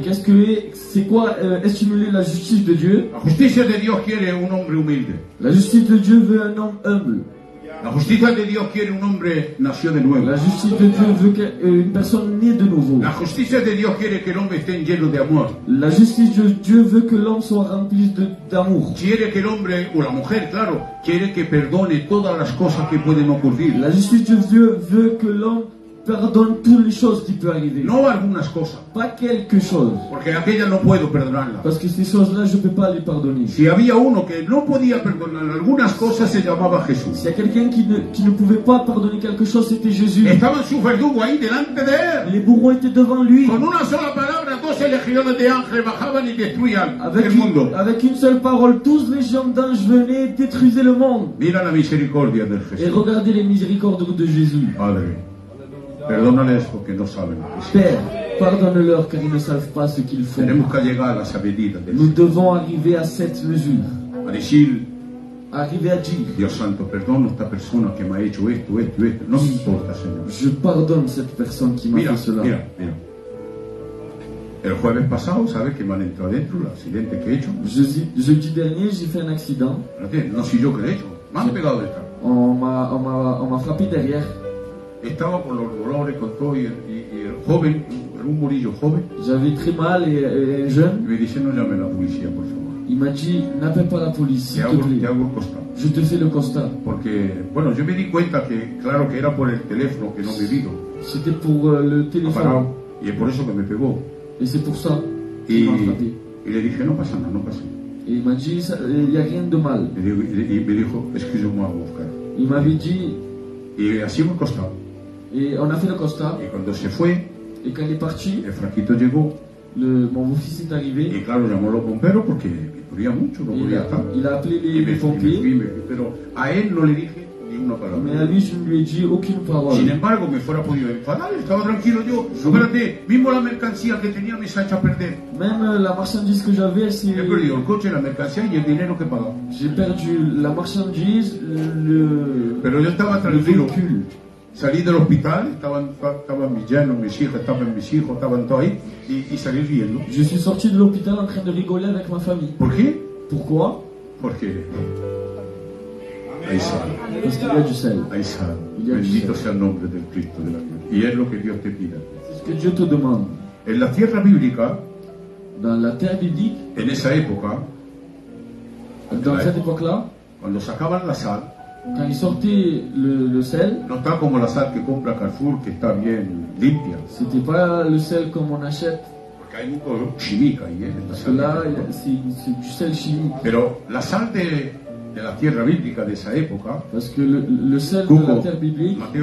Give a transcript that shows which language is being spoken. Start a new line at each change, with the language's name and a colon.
French: Et qu'est-ce que c'est quoi stimuler la justice de Dieu?
Spanish: La justicia de Dios quiere un hombre humilde. La justicia
French: de Dieu veut un homme humble.
Spanish: La justicia de Dios quiere un hombre nacido de nuevo. La justicia de Dios
French: veut qu'une personne née de nouveau.
Spanish: La justicia de Dios quiere que el hombre esté lleno de amor. La justicia
French: de Dieu veut que l'homme soit rempli d'amour.
Spanish: Quiere que el hombre o la mujer, claro, quiere que perdone todas las cosas que pueden ocurrir. La justicia
French: de Dieu veut que l'homme perdone toutes les choses qui peuvent arriver.
Spanish: No algunas cosas.
French: Pas quelque chose.
Spanish: Porque aquella no puedo perdonarla.
French: Parce que ces choses-là, je ne peux pas les pardonner.
Spanish: Si había uno que no podía perdonar algunas cosas, se llamaba Jesús.
French: Si y a quelqu'un qui ne pouvait pas pardonner quelque chose, c'était Jésus.
Spanish: Estaban sus verdugos ahí delante de él.
French: Les bourreaux étaient devant lui.
Spanish: Con una sola palabra, 12 legiones de ángeles bajaban y destruían el mundo.
French: Avec une seule parole, tous les gens d'anges venaient et détruisaient le monde.
Spanish: Mira la misericordia de Jesús.
French: Et regardez les miséricordes de Jésus.
Spanish: Padre. Perdónales porque no saben lo que es.
French: Père, pardonne-leur car ils ne savent pas ce qu'ils font.
Spanish: Tenemos que llegar a esa medida.
French: Nous devons arriver à cette mesure.
Spanish: A decir,
French: arriver à dire.
Spanish: Dios Santo, perdono a esta persona que me ha hecho esto, esto, esto. No me importa, Señor.
French: Je pardonne cette personne qui m'a fait cela.
Spanish: Mira, mira. El jueves pasado, ¿sabes que me han entrado dentro el accidente que he hecho?
French: Jeudi dernier, j'ai fait un accident.
Spanish: No soy yo que lo he hecho. Me han pegado detrás.
French: On m'a frappé derrière.
Spanish: Estaba con los dolores, con todo, y el joven, un murillo joven.
French: J'avais très mal et jeune.
Spanish: Me dice, no llame la policía, por favor.
French: Il m'a dit, n'appelle pas la police, s'il te plaît.
Spanish: Te hago el constat.
French: Je te fais le constat.
Spanish: Porque, bueno, yo me di cuenta que, claro, que era por el teléfono que no me vino.
French: C'était pour le téléphone.
Spanish: Y es por eso que me pegó.
French: Et c'est pour ça que m'a frappé.
Spanish: Y le dije, no pasa nada, no pasa nada.
French: Et il m'a dit, il y a rien de mal.
Spanish: Y me dijo,
French: excuse-moi,
Spanish: Oscar.
French: Il m'avait dit.
Spanish: Y así me costaba.
French: Et on a fait le constat. Et quand
Spanish: se fue,
French: et quand il est parti,
Spanish: el Franquito llegó,
French: mon fils est arrivé.
Spanish: Y claro, llamó a los bomberos porque me duría mucho, no podía estar.
French: Il a appelé les pompiers.
Spanish: Pero a él no le dije ni una palabra.
French: Mais à lui, je ne lui ai dit aucune parole.
Spanish: Sin embargo, me fuera podido enfadar, estaba tranquilo yo. Espérate, mismo la mercancía que tenía me se ha hecho perder.
French: Même la marchandise que j'avais, c'est.
Spanish: He perdido el coche, la mercancía y el dinero que pagaba.
French: J'ai perdu la marchandise, le.
Spanish: Pero yo estaba tranquilo. Salí del hospital, estaban mis yernos, mis hijos, estaban mis hijos, estaban todos ahí, y salí riendo.
French: Je suis sorti de l'hôpital en train de rigoler avec ma famille.
Spanish: ¿Por qué?
French: Pourquoi?
Spanish: Porque hay sal.
French: Parce qu'il y a du sel.
Spanish: Hay sal. Bendito sea el nombre del Cristo de la gloria. Y es lo que Dios te pide.
French: C'est ce que Dieu te demande.
Spanish: En la tierra bíblica,
French: dans la terre biblique,
Spanish: en esa época,
French: dans cette époque-là,
Spanish: cuando sacaban la sal,
French: quand ils sortaient le sel,
Spanish: no está como la sal que compra Carrefour, que está bien limpia.
French: C'était pas le sel comme on achète.
Spanish: Porque hay mucho chimica ahí, ¿eh?
French: Parce que là, c'est du sel chimique.
Spanish: Pero la sal de la tierra bíblica de esa época.
French: Parce que le sel de la terre biblique.